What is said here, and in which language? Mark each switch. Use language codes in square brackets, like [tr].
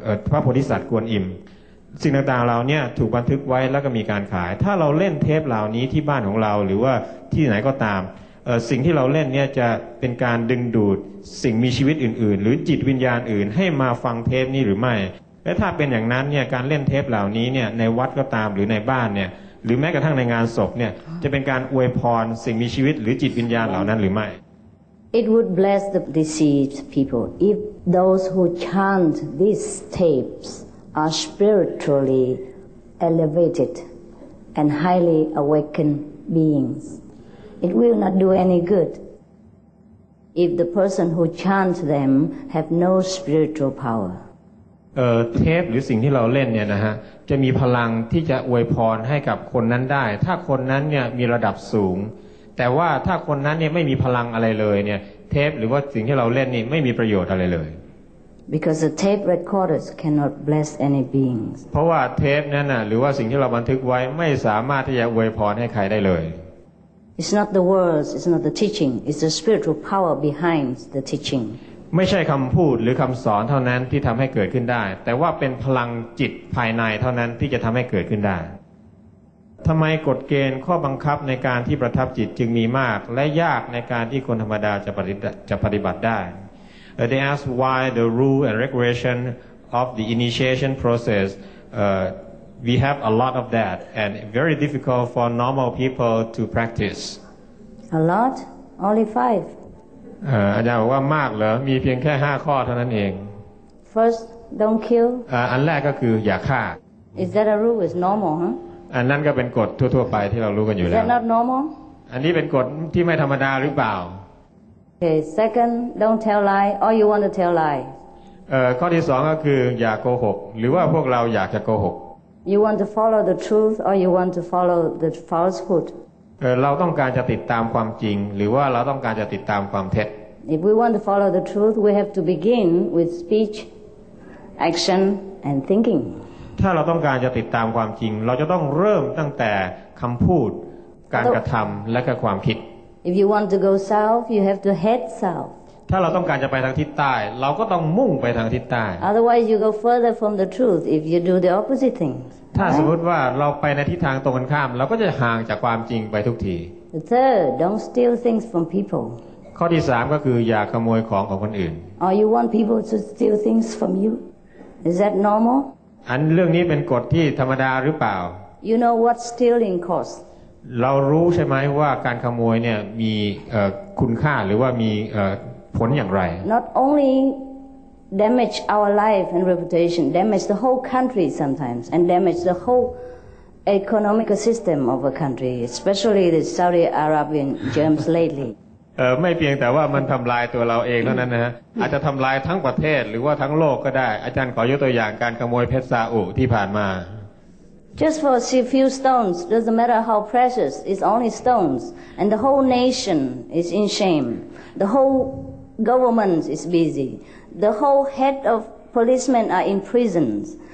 [th] พระโพธิสัตว์กวนอิมสิ่งต่างๆเหล่านี้ถูกบันทึกไว้แล้วก็มีการขายถ้าเราเล่นเทปเหล่านี้ที่บ้านของเราหรือว่าที่ไหนก็ตามสิ่งที่เราเล่นเนี่ยจะเป็นการดึงดูดสิ่งมีชีวิตอื่นๆหรือจิตวิญญาณอื่นให้มาฟังเทปนี้หรือไม่และถ้าเป็นอย่างนั้นเนี่ยการเล่นเทปเหล่านี้เนี่ยในวัดก็ตามหรือในบ้านเนี่ยหรือแม้กระทั่งในงานศพเนี่ยจะเป็นการอวยพรสิ่งมีชีวิตหรือจิตวิญญาณเหล่านั้นหรือไม่ [en] It would bless the deceased people if those who chant these tapes are spiritually elevated and highly awakened beings it will not do any good if the person who chant them have no spiritual power [th] เทปหรือสิ่งที่เราเล่นเนี่ยนะฮะจะมีพลังที่จะอวยพรให้กับคนนั้นได้ถ้าคนนั้นเนี่ยมีระดับสูงแต่ว่าถ้าคนนั้นเนี่ยไม่มีพลังอะไรเลยเนี่ยเทปหรือว่าสิ่งที่เราเล่นนี่ไม่มีประโยชน์อะไรเลย [en] Because the tape recorders cannot bless any beings [th] เพราะว่าเทปนั้นน่ะหรือว่าสิ่งที่เราบันทึกไว้ไม่สามารถที่จะอวยพรให้ใครได้เลย [en] It's not the words it's not the teaching it's the spiritual power behind the teaching [th] ไม่ใช่คำพูดหรือคำสอนเท่านั้นที่ทำให้เกิดขึ้นได้แต่ว่าเป็นพลังจิตภายในเท่านั้นที่จะทำให้เกิดขึ้นได้ทำไมกฎเกณฑ์ข้อบังคับในการที่ประทับจิตจึงมีมากและยากในการที่คนธรรมดาจะปฏิบัติได้ [en] They ask why the rule and regulation of the initiation process we have a lot of that and very difficult for normal people to practice a lot only 5 [th] อาจารย์บอกว่ามากเหรอมีเพียงแค่5ข้อเท่านั้นเอง [en] First don't kill [th] อันแรกก็คืออย่าฆ่า [en] Is that a rule is normal huh [th] อันนั้นก็เป็นกฎทั่วๆไปที่เรารู้กันอยู่แล้ว [en] Is that not normal [th] อันนี้เป็นกฎที่ไม่ธรรมดาหรือเปล่า [en] Okay second don't tell lie or you want to tell lie [th] ข้อที่2ก็คืออย่าโกหกหรือว่าพวกเราอยากจะโกหก [en] You want to follow the truth or you want to follow the falsehood [th] เราต้องการจะติดตามความจริงหรือว่าเราต้องการจะติดตามความเท็จ [en] If we want to follow the truth we have to begin with speech action and thinking [th] ถ้าเราต้องการจะติดตามความจริงเราจะต้องเริ่มตั้งแต่คำพูดการกระทำและก็ความคิด [en] If you want to go south you have to head south [th] ถ้าเราต้องการจะไปทางทิศใต้เราก็ต้องมุ่งไปทางทิศใต้ [en] Otherwise you go further from the truth if you do the opposite thing [th] ถ้าสมมติว่าเราไปในทิศทางตรงกันข้ามเราก็จะห่างจากความจริงไปทุกที [en] The third don't steal things from people [th] ข้อที่3ก็คืออย่าขโมยของของคนอื่น [en] Or you want people to steal things from you Is that normal [th] อันเรื่องนี้เป็นกฎที่ธรรมดาหรือเปล่า [en] You know what stealing costs [th] เรารู้ใช่ไหมว่าการขโมยเนี่ยมีคุณค่าหรือว่ามีผลอย่างไร [en] Not only damage our life and reputation, damage the whole country sometimes, and damage the whole economical system of a country, especially the Saudi Arabian germs lately. [th] ไม่เพียงแต่ว่ามันทำลายตัวเราเองเท่านั้นนะฮะ อาจจะทำลายทั้งประเทศหรือว่าทั้งโลกก็ได้อาจารย์ขอยกตัวอย่างการขโมยเพชรซาอุที่ผ่านมา [en] Just for a few stones, doesn't matter how precious, it's only stones, and the whole nation is in shame. The whole government is busy. The whole head of policemen are in prisons.